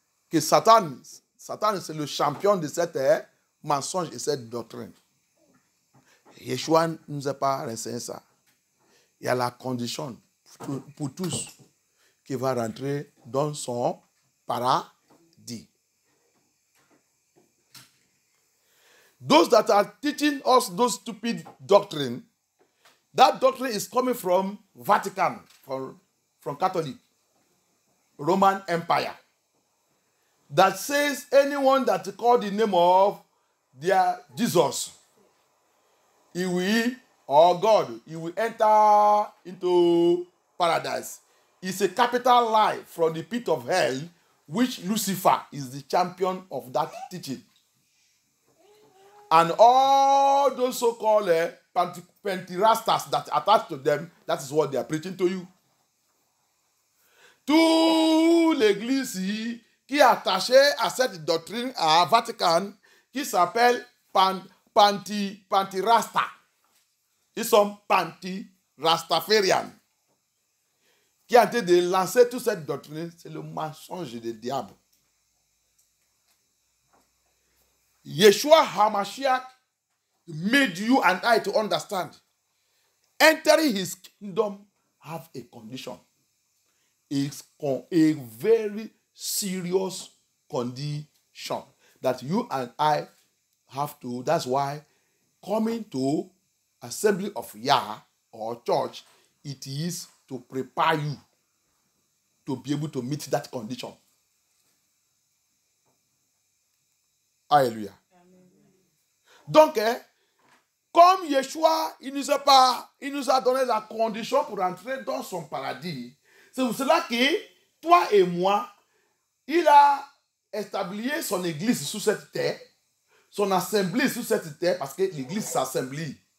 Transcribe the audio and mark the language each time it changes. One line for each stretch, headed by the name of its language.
French: Que Satan, c'est le champion de cette mensonge et cette doctrine. Yeshua ne nous a pas enseigné ça. Il y a la condition pour tous qui va rentrer dans son paradis.
English: Those that are teaching us those stupid doctrine, that doctrine is coming from Vatican, from Catholic Roman Empire, that says anyone that call the name of their Jesus, he will, or God, he will enter into paradise. It's a capital lie from the pit of hell, which Lucifer is the champion of that teaching. And all those so-called Pentirastas that attach to them, that is what they are preaching to you.
French: Toute l'église qui est attachée à cette doctrine à Vatican, qui s'appelle Pentirasta. Ils sont Pentirastafarians. Qui a été de lancer toute cette doctrine, c'est le mensonge du diable.
English: Yeshua HaMashiach made you and I to understand. Entering his kingdom have a condition. It's a very serious condition that you and I have to. That's why coming to Assembly of Yah or church, it is to prepare you to be able to meet that condition. Hallelujah.
French: Donc, comme Yeshua, il nous a donné la condition pour entrer dans son paradis, c'est pour cela que toi et moi, il a établi son église sur cette terre, son assemblée sur cette terre, parce que l'église s'assemblée.